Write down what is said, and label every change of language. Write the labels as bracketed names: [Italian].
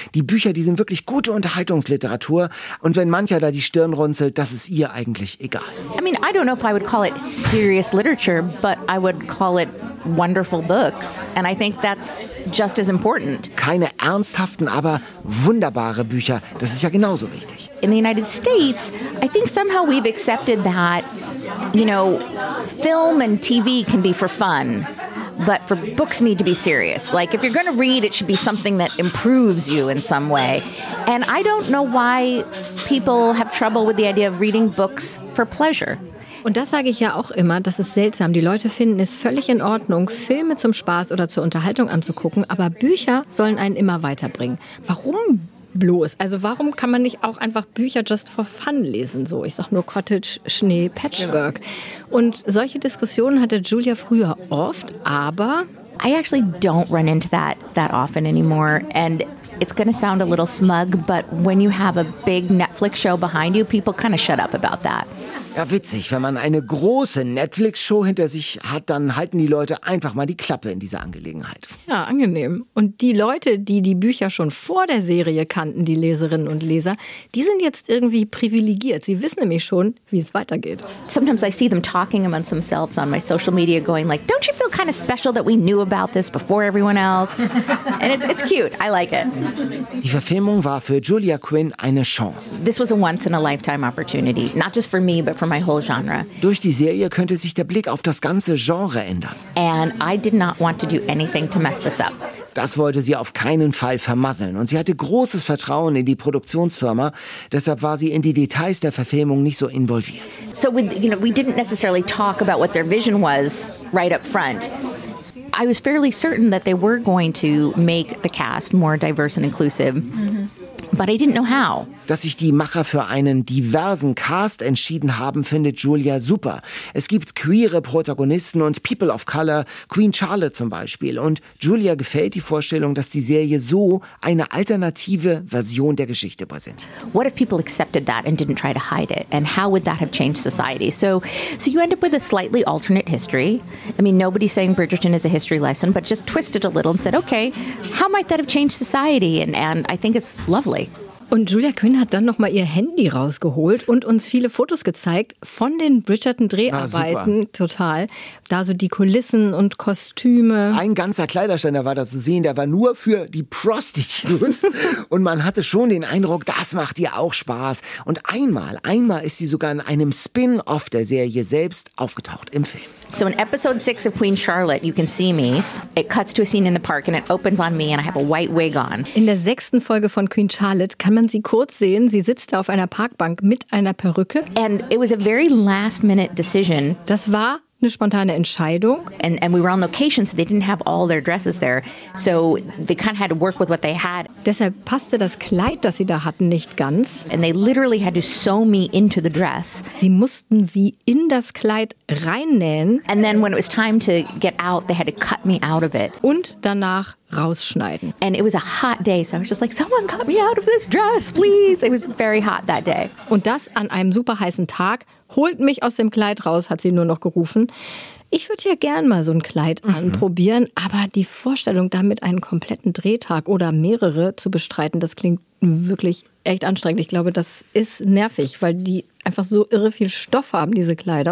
[German] Die Bücher, die sind wirklich gute Unterhaltungsliteratur. Und wenn mancher da die Stirn runzelt, das ist ihr eigentlich egal. [English] I mean, I don't know if I would call it serious literature, but I would call it wonderful books. And I think that's just as important. [German] Keine ernsthaften, aber wunderbare Bücher. Das ist ja genauso wichtig. [English] In the United States, I think somehow we've accepted that, you know, film and TV can be for fun, but for books need to be serious. Like, if you're going to read, it should be something that improves you in some way. And I don't know why people have trouble with the idea of reading books for pleasure. [German] Und das sage ich ja auch immer, das ist seltsam. Die Leute finden es völlig in Ordnung, Filme zum Spaß oder zur Unterhaltung anzugucken, aber Bücher sollen einen immer weiterbringen. Warum bloß? Also warum kann man nicht auch einfach Bücher [English] just for fun [German] lesen? So, ich sag nur Cottage, Schnee, Patchwork. Und solche Diskussionen hatte Julia früher oft, aber [English] I actually don't run into that often anymore. And it's going to sound a little smug, but when you have a big Netflix show behind you, people kind of shut up about that. [German] Ja, witzig. Wenn man eine große Netflix-Show hinter sich hat, dann halten die Leute einfach mal die Klappe in dieser Angelegenheit. Ja, angenehm. Und die Leute, die die Bücher schon vor der Serie kannten, die Leserinnen und Leser, die sind jetzt irgendwie privilegiert. Sie wissen nämlich schon, wie es weitergeht. [English] Sometimes I see them talking amongst themselves on my social media going like, don't you feel kind of special that we knew about this before everyone else? And it's cute. I like it. [German] Die Verfilmung war für Julia Quinn eine Chance. [English] This was a once in a lifetime opportunity. Not just for me, but for my whole genre. [German] Durch die Serie könnte sich der Blick auf das ganze Genre ändern. [English] And I did not want to do anything to mess this up. [German] Das wollte sie auf keinen Fall vermasseln. Und sie hatte großes Vertrauen in die Produktionsfirma. Deshalb war sie in die Details der Verfilmung nicht so involviert. [English] So with, you know, we didn't necessarily talk about what their vision was right up front. I was fairly certain that they were going to make the cast more diverse and inclusive. But I didn't know how. [German] Dass sich die Macher für einen diversen Cast entschieden haben, findet Julia super. Es gibt queere Protagonisten und People of Color, Queen Charlotte zum Beispiel. Und Julia gefällt die Vorstellung, dass die Serie so eine alternative Version der Geschichte präsentiert. [English] What if people accepted that and didn't try to hide it? And how would that have changed society? So you end up with a slightly alternate history. I mean, nobody's saying Bridgerton is a history lesson, but just twisted a little and said, okay, how might that have changed society? And I think it's lovely. [German] Und Julia Quinn hat dann nochmal ihr Handy rausgeholt und uns viele Fotos gezeigt von den Bridgerton-Dreharbeiten. Ah, total. Da so die Kulissen und Kostüme. Ein ganzer Kleiderständer war da zu sehen, der war nur für die Prostitutes. Und man hatte schon den Eindruck, das macht ihr auch Spaß. Und einmal ist sie sogar in einem Spin-off der Serie selbst aufgetaucht im Film. [English] So in episode 6 of Queen Charlotte, you can see me. It cuts to a scene in the park and it opens on me and I have a white wig on. [German] In der 6. Folge von Queen Charlotte kann man sie kurz sehen. Sie sitzt da auf einer Parkbank mit einer Perücke. [English] And it was a very last minute decision. [German] Das war eine spontane Entscheidung. [English] And we were on location, so they didn't have all their dresses there. So they kind of had to work with what they had. [German] Deshalb passte das Kleid, das sie da hatten, nicht ganz. [English] And they literally had to sew me into the dress. [German] Sie mussten sie in das Kleid reinnähen. [English] And then when it was time to get out, they had to cut me out of it. [German] Und danach rausschneiden. [English] And it was a hot day, so I was just like, someone cut me out of this dress, please. It was very hot that day. [German] Und das an einem super heißen Tag. Holt mich aus dem Kleid raus, hat sie nur noch gerufen. Ich würde ja gern mal so ein Kleid anprobieren, aber die Vorstellung, damit einen kompletten Drehtag oder mehrere zu bestreiten, das klingt wirklich echt anstrengend. Ich glaube, das ist nervig, weil die einfach so irre viel Stoff haben, diese Kleider.